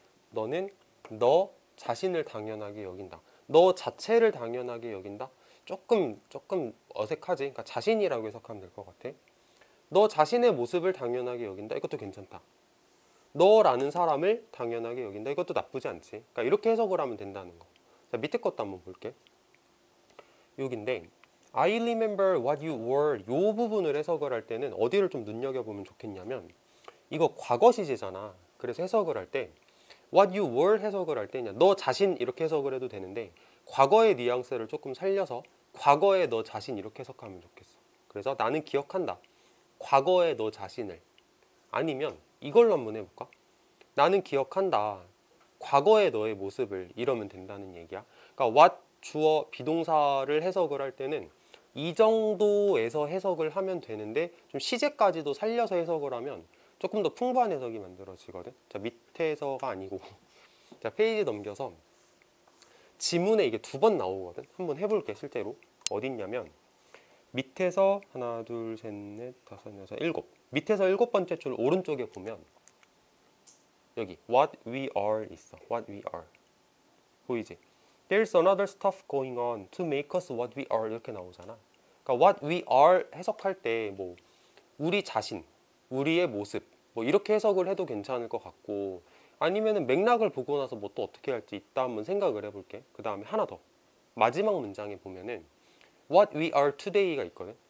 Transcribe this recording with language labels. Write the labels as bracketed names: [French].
[Korean] 너는 너 자신을 당연하게 여긴다. 너 자체를 당연하게 여긴다. 조금 어색하지? 그러니까 자신이라고 해석하면 될것 같아. 너 자신의 모습을 당연하게 여긴다. 이것도 괜찮다. 너라는 사람을 당연하게 여긴다. 이것도 나쁘지 않지? 그러니까 이렇게 해석을 하면 된다는 거. 자, 밑에 것도 한번 볼게. 여긴데 [English] I remember what you were. [Korean] 이 부분을 해석을 할 때는 어디를 좀 눈여겨보면 좋겠냐면, 이거 과거 시제잖아. 그래서 해석을 할 때, [English] what you were [Korean] 해석을 할 때, 너 자신 이렇게 해석을 해도 되는데, 과거의 뉘앙스를 조금 살려서, 과거의 너 자신 이렇게 해석하면 좋겠어. 그래서 나는 기억한다. 과거의 너 자신을. 아니면 이걸로 한번 해볼까? 나는 기억한다. 과거의 너의 모습을. 이러면 된다는 얘기야. 그러니까 what 주어 비동사를 해석을 할 때는, 이 정도에서 해석을 하면 되는데, 좀 시제까지도 살려서 해석을 하면 조금 더 풍부한 해석이 만들어지거든. 자, 밑에서가 아니고. 자, 페이지 넘겨서. 지문에 이게 두번 나오거든. 한번 해볼게, 실제로. 어딨냐면, 밑에서 하나, 둘, 셋, 넷, 다섯, 여섯, 일곱. 밑에서 일곱 번째 줄 오른쪽에 보면, 여기, [English] what we are [Korean] 있어. [English] what we are. [Korean] 보이지? [English] There's another stuff going on to make us what we are. [Korean] 이렇게 나오잖아. 그러니까 [English] what we are [Korean] 해석할 때, 뭐, 우리 자신, 우리의 모습, 뭐, 이렇게 해석을 해도 괜찮을 것 같고, 아니면은 맥락을 보고 나서 뭐또 어떻게 할지 이따 한번 생각을 해볼게. 그 다음에 하나 더. 마지막 문장에 보면은 [English] what we are today [Korean] 가 있거든.